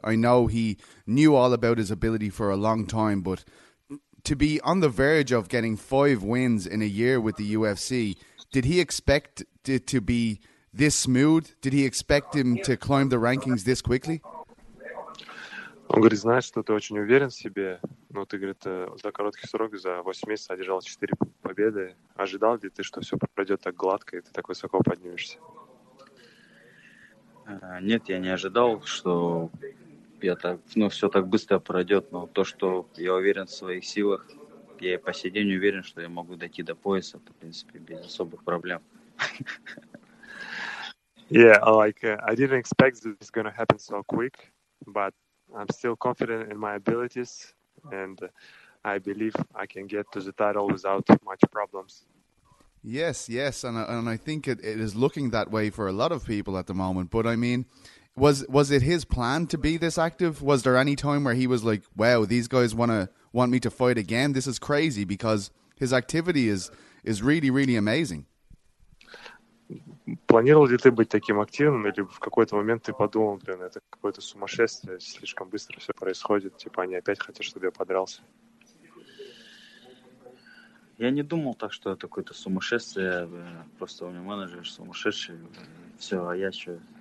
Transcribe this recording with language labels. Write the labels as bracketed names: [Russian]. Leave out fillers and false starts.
[English] I know he knew all about his ability for a long time, but to be on the verge of getting 5 wins in a year with the UFC, did he expect it to be this smooth? Did he expect him to climb the rankings this quickly? [Russian] Он говорит, знаешь, что ты очень уверен в себе, но ты, говорит, за короткий срок, за 8 месяцев одержал 4 победы. Ожидал ли ты, что все пройдет так гладко, и ты так высоко поднимешься? Нет, я не ожидал, что все так быстро пройдет, но то, что я уверен в своих силах, я и по сей день уверен, что я могу дойти до пояса, в принципе, без особых проблем. [English] Yeah, like, I didn't expect that it's going to happen so quick, but I'm still confident in my abilities, and I believe I can get to the title without much problems. Yes, yes, and I think it is looking that way for a lot of people at the moment. But I mean, was it his plan to be this active? Was there any time where he was like, "Wow, these guys want me to fight again? This is crazy," because his activity is really, really amazing. [Russian] Планировал ли ты быть таким активным, или в какой-то момент ты подумал, блин, это какое-то сумасшествие, слишком быстро все происходит, типа они опять хотят, чтобы я подрался? Я не думал так, что это какое-то сумасшествие, просто у меня менеджер сумасшедший, все, а я что?